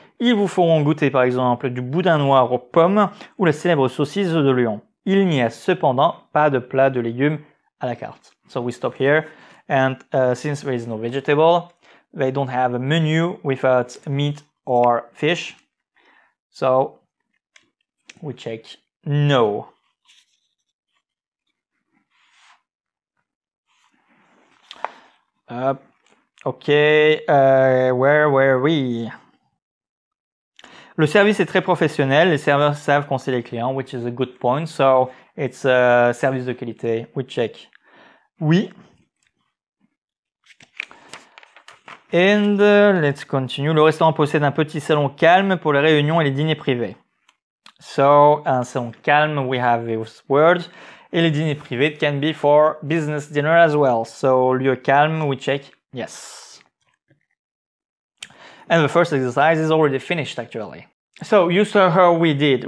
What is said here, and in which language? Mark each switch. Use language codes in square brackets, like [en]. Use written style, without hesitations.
[fr] Ils vous feront goûter, par exemple, du boudin noir aux pommes ou la célèbre saucisse de Lyon. Il n'y a cependant pas de plat de légumes à la carte. [en] So, we stop here. And since there is no vegetable, they don't have a menu without meat or fish. So, we check no. Where were we? [fr] Le service est très professionnel. Les serveurs savent conseiller les clients, [en] which is a good point. So, it's a [fr] service de qualité. [en] We check. Oui. And let's continue. [fr] Le restaurant possède un petit salon calme pour les réunions et les dîners privés. [en] So, [fr] un salon calme, [en] we have those words. [fr] Et les dîners privés [en] can be for business dinner as well. So, [fr] lieu calme, [en] we check. Yes. And the first exercise is already finished, actually. So, you saw how we did.